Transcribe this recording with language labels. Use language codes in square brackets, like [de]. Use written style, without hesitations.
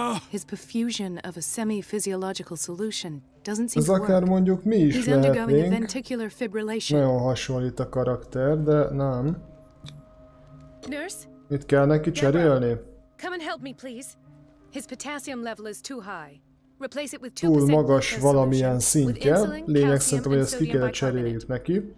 [en] His perfusion of a semi-physiological solution doesn't seem to work. [hu] Ez akár mondjuk mi is lehetnénk. Nagyon hasonlít a karakter, de nem. [en] Nurse? [hu] Mit kell neki cserélni? [en] Come and help me, please. His potassium level is too high. Replace it with [hu] 2% túl magas valamilyen szintje. Lényeg szerintem, hogy ezt ki kell cseréljük neki.